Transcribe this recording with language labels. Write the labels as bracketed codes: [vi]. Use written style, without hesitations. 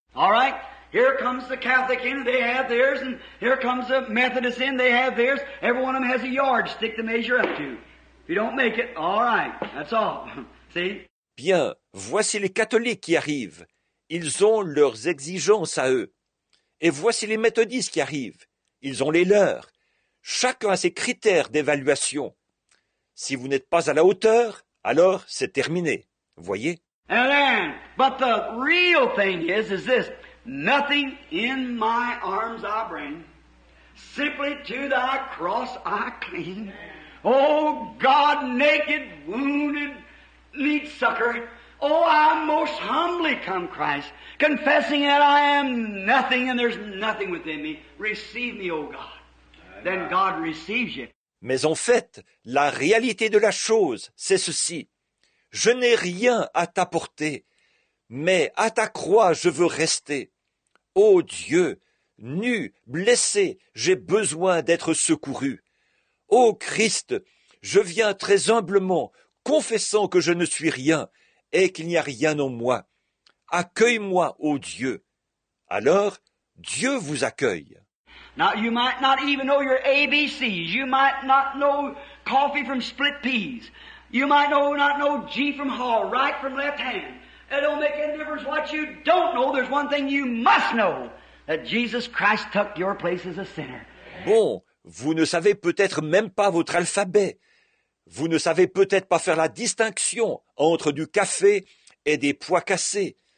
[en] All right, here comes the Catholic in, they have theirs, and here comes the Methodist in, they have theirs. Every one of them has a yardstick to measure up to. If you don't make it, all right, that's all. See? [fr] Bien, voici les catholiques qui arrivent. Ils ont leurs exigences à eux. Et voici les méthodistes qui arrivent. Ils ont les leurs. Chacun a ses critères d'évaluation. Si vous n'êtes pas à la hauteur, alors c'est terminé. Voyez. [en] Amen. But the real thing is this. Nothing in my arms I bring. Simply to thy cross I cling. Oh, God, naked, wounded, meat sucker. Oh, I most humbly come, Christ, confessing that I am nothing and there's nothing within me. Receive me, oh God. Then God receives you. [fr] Mais en fait, la réalité de la chose, c'est ceci. Je n'ai rien à t'apporter, mais à ta croix, je veux rester. Ô Dieu, nu, blessé, j'ai besoin d'être secouru. Ô Christ, je viens très humblement, confessant que je ne suis rien et qu'il n'y a rien en moi. Accueille-moi, ô Dieu. Alors, Dieu vous accueille. [en] Now, you might not even know your ABCs. You might not know coffee from split peas. You might not know G from Hall, right from left hand. It don't make any difference what you don't know. There's one thing you must know, that Jesus Christ took your place as a sinner. [fr] Bon, vous ne savez peut-être même pas votre alphabet. Vous ne savez peut-être pas faire la distinction entre du café et des pois cassés.